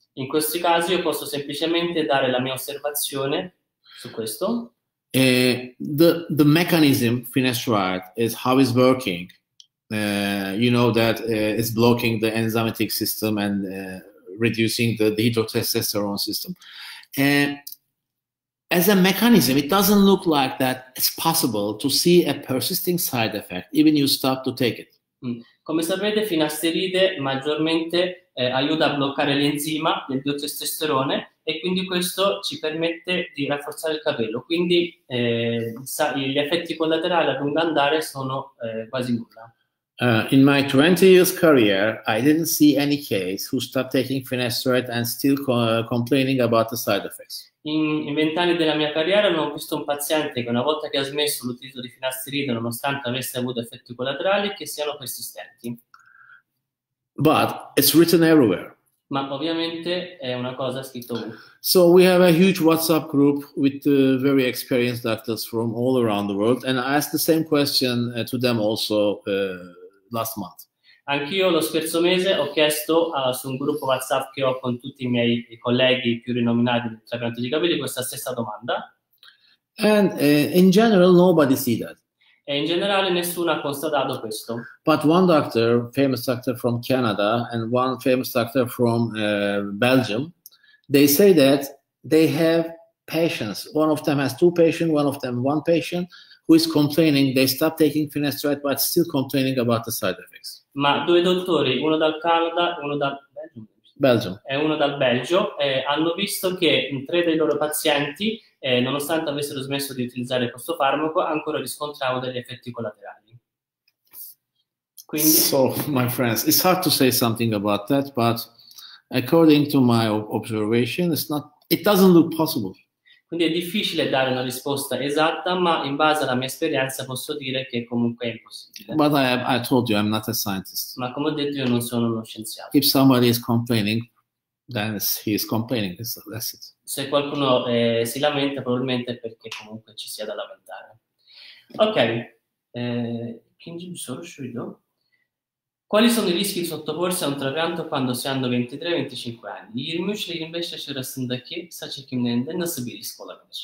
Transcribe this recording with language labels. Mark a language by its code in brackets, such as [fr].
[it] In questi casi io posso semplicemente dare la mia osservazione su questo. [en] The mechanism finasteride is how it's working. You know that it's blocking the enzymatic system and reducing the dehydrotestosterone system. As a mechanism, it doesn't look like that it's possible to see a persisting side effect even you stop to take it. [it] Come sapete, finasteride maggiormente aiuta a bloccare l'enzima del testosterone e quindi questo ci permette di rafforzare il capello. Quindi gli effetti collaterali a lungo andare sono quasi nulla. [en] In my 20 years career, I didn't see any case who stopped taking finasteride and still complaining about the side effects. [it] In 20 anni della mia carriera non ho visto un paziente che una volta che ha smesso l'utilizzo di finasteride, nonostante avesse avuto effetti collaterali, che siano persistenti. [en] But it's written everywhere. [it] Ma ovviamente è una cosa scritta ovunque. [en] So we have a huge WhatsApp group with very experienced doctors from all around the world, and I asked the same question to them also last month. [it] Anch'io lo scorso mese ho chiesto su un gruppo WhatsApp che ho con tutti i miei colleghi più rinominati del trapianto di capelli questa stessa domanda. [en] And in general nobody see that. [it] E in generale nessuno ha constatato questo. [en] But one doctor, famous doctor from Canada, and one famous doctor from Belgium, they say that they have patients. One of them has two patients, one of them one patient, who is complaining, they stopped taking finasteride, but still complaining about the side effects. [it] Ma due dottori, uno dal Canada, uno dal Belgio, e uno dal Belgio, hanno visto che in tre dei loro pazienti, nonostante avessero smesso di utilizzare questo farmaco, ancora riscontravano degli effetti collaterali. [en] Quindi, so, my friends, it's hard to say something about that, but according to my observation, it doesn't look possible. [it] Quindi è difficile dare una risposta esatta, ma in base alla mia esperienza posso dire che comunque è impossibile. [en] But I told you, I'm not a scientist. [it] Ma come ho detto, io non sono uno scienziato. [en] If somebody is complaining, then he is complaining, that's it. [it] Se qualcuno si lamenta, probabilmente è perché comunque ci sia da lamentare. Ok, quali sono i rischi di sottoporsi a un trapianto quando si hanno 23-25 anni? Il mio ci invece ci rassenta che sa che chi ne è non si riscola.